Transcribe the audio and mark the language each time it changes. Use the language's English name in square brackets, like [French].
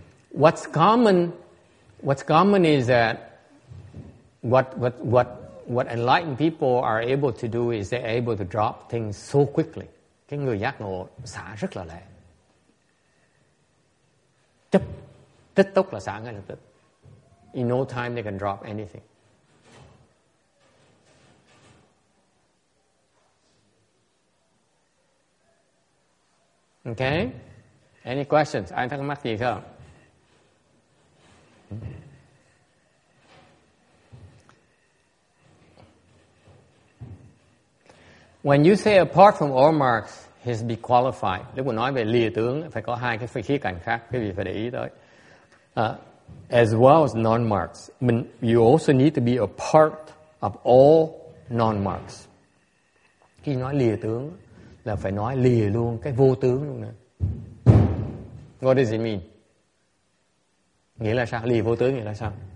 [English] What's common is that What enlightened people are able to do is they're able to drop things so quickly. [Vietnamese] Cái người giác ngộ xả rất là lẹ. Chấp, tích tốc là xả ngay lập tức. [English] In no time they can drop anything. Okay? Any questions? [Vietnamese] Ai thắc mắc gì không? [English] When you say apart from all marks, he's be qualified. [Vietnamese] Lúc mà nói về lìa tướng, phải có hai cái khía cạnh khác, quý vị phải để ý tới. [English] As well as non-marks. You also need to be a part of all non-marks. [Vietnamese] Khi nói lìa tướng, là phải nói lìa luôn, cái vô tướng luôn nè. [English] What does it mean? [Vietnamese] Nghĩa là sao? Lìa vô tướng nghĩa là sao?